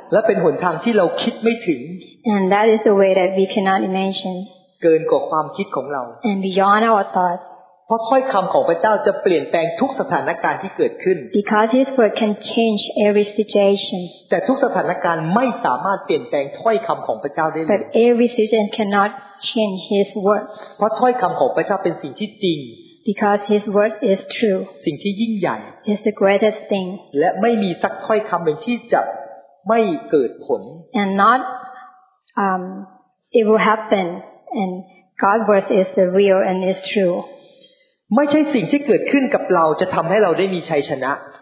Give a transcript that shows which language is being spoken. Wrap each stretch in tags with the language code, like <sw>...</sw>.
<th>และเป็นหนทางที่เราคิดไม่ถึง</th> <en>And that is the way that we cannot imagine.</en> <th>เกินกว่าความคิดของเรา</th> <en>And beyond our thoughts.</en> <th>เพราะถ้อยคำของพระเจ้าจะเปลี่ยนแปลงทุกสถานการณ์ที่เกิดขึ้น</th> <en>Because His word can change every situation.</en> <th>แต่ทุกสถานการณ์ไม่สามารถเปลี่ยนแปลงถ้อยคำของพระเจ้าได้เลย</th> <en>But every situation cannot change His words.</en> <th>เพราะถ้อยคำของพระเจ้าเป็นสิ่งที่จริง</th> <en>Because His word is true.</en> <th>สิ่งที่ยิ่งใหญ่</th> <en>is the greatest thing.</en> <th>และไม่มีสักถ้อยคำหนึ่งที่จะไม่เกิดผล</th> <en>And not it will happen. And God's word is the real and is true.</en> <th>ไม่ใช่สิ่งที่เกิดขึ้นกับเราจะทำให้เราได้มีชัยชนะ</th>